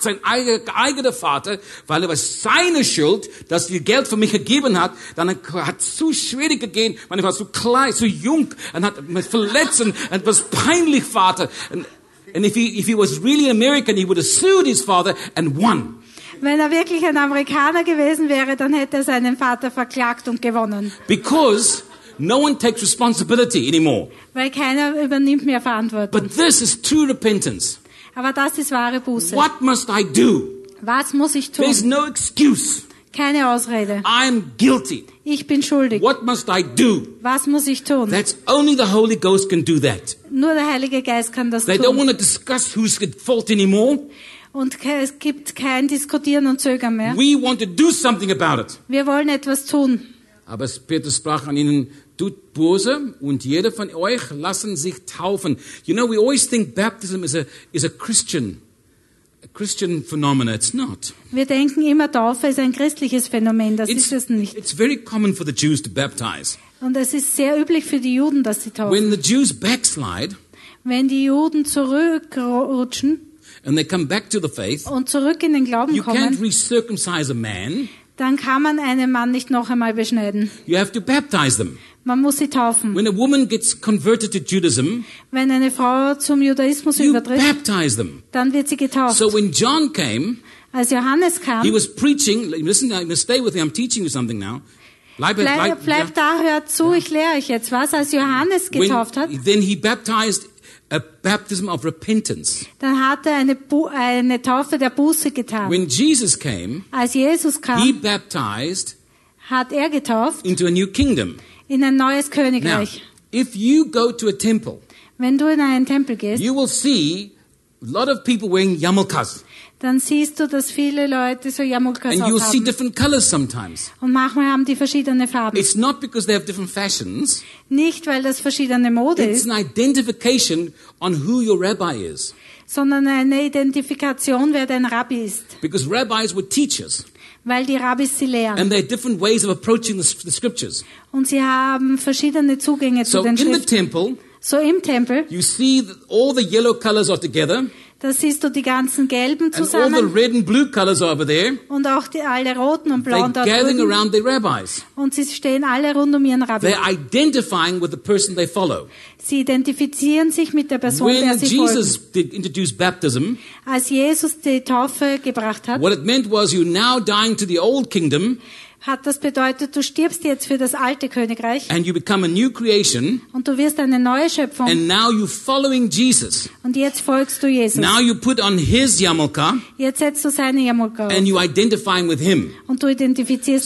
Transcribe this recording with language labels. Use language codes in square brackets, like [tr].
[de] sein eigener Vater, weil er was seine Schuld, dass er Geld für mich gegeben hat, dann hat es zu schwierig gegeben, weil ich war zu klein, zu jung und hat mich verletzt und was peinlich, Vater. [en] And if he was really American, he would have sued his father and won. [de] Wenn er wirklich ein Amerikaner gewesen wäre, dann hätte er seinen Vater verklagt und gewonnen. [en] Because no one takes responsibility anymore. [de] Weil keiner übernimmt mehr Verantwortung. [en] But this is true repentance. [de] Aber das ist wahre Buße. [en] What must I do? [de] Was muss ich tun? [en] There's no excuse. [de] Keine Ausrede. [en] I'm guilty. [de] Ich bin schuldig. [en] What must I do? [de] Was muss ich tun? [en] That's only the Holy Ghost can do that. [de] Nur der Heilige Geist kann das tun. [en] They don't want to discuss who's at fault anymore. [de] Und es gibt kein Diskutieren und Zögern mehr. [en] We want to do something about it. [de] Wir wollen etwas tun. Aber Petrus sprach an ihnen, tut Buße und jeder von euch lassen sich taufen. [en] You know, we always think baptism is a Christian phenomenon. It's not. [de] Wir denken immer, Taufe ist ein christliches Phänomen. Ist es nicht. [en] It's very common for the Jews to baptize. [de] Und es ist sehr üblich für die Juden, dass sie taufen. [en] When the Jews backslide, [de] wenn die Juden zurückrutschen [en] and they come back to the faith, [de] und zurück in den Glauben [en] you [de] kommen, [en] you can't recircumcise a man. [de] Dann kann man einen Mann nicht noch einmal beschneiden. [en] You have to baptize them. [de] Man muss sie taufen. [en] When a woman gets converted to Judaism, [de] wenn eine Frau zum Judaismus übertritt, [en] baptize them. [de] Dann wird sie getauft. [en] So when John came, [de] als Johannes kam, [en] he was preaching. Listen, I'm going to stay with you. I'm teaching you something now. [de] Bleib da, hör zu, yeah. Ich lehre euch jetzt was. Als Johannes getauft hat, [en] then he baptized a baptism of repentance. [de] Dann hat er eine Taufe der Buße getan. [en] When Jesus came, [de] als Jesus kam, [en] he baptized, [de] hat er getauft, [en] into a new kingdom, [de] in ein neues Königreich. [en] Now, if you go to a temple, [de] wenn du in einen Tempel gehst, [en] you will see a lot of people wearing yarmulkes. [de] Dann siehst du, dass viele Leute so yarmulkes haben. [en] And you'll see different colors sometimes. [de] Und manchmal haben die verschiedene Farben. [en] It's not because they have different fashions. [de] Nicht weil das verschiedene Mode [en] it's [de] ist. [en] It's an identification on who your rabbi is. [de] Sondern eine Identifikation, wer dein Rabbi ist. [en] Because rabbis were teachers. [de] Weil die Rabbis sie lehren. [en] And they have different ways of approaching the scriptures. [de] Und sie haben verschiedene Zugänge so zu den Schriften. [en] In the temple, [de] so im Tempel. [en] You see that all the yellow colors are together. [de] Da siehst du die ganzen gelben zusammen. [en] And all the red and blue colors are over there. [de] Und auch alle roten und blauen da drüben. Und sie stehen alle rund um ihren Rabbi. [en] They're identifying with the person they follow. [de] Sie identifizieren sich mit der Person, [en] when [de] der sie [en] Jesus [de] folgen. [en] Introduced baptism, [de] als Jesus die Taufe gebracht hat, [en] what it meant was you're now dying to the old kingdom, [de] hat das bedeutet, du stirbst jetzt für das alte Königreich. [en] And you become a new creation. [de] Und du wirst eine neue Schöpfung. [en] And now you're following Jesus. [de] Und jetzt folgst du Jesus. [en] Now you put on his yarmulke. [de] Jetzt setzt du seine Yarmulke auf. [en] And you identify with him. [de] Und du identifizierst